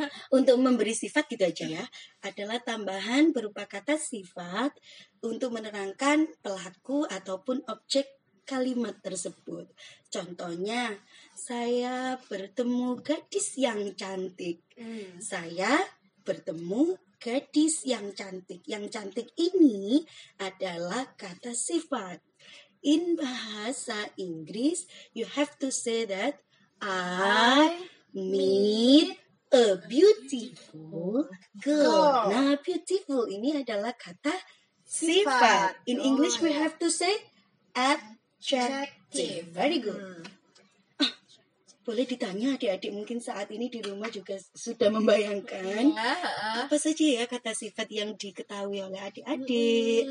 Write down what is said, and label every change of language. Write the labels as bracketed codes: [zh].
[id] untuk memberi sifat gitu aja ya, adalah tambahan berupa kata sifat untuk menerangkan pelaku ataupun objek kalimat tersebut. Contohnya, saya bertemu gadis yang cantik. Saya bertemu gadis yang cantik. Yang cantik ini adalah kata sifat. [en] In [id] bahasa Inggris, [en] you have to say that I meet a beautiful girl. [id] Nah, beautiful ini adalah kata sifat. [en] In English, we have to say adjective. Very good. [id] Boleh ditanya adik-adik, mungkin saat ini di rumah juga sudah membayangkan apa saja ya kata sifat yang diketahui oleh adik-adik.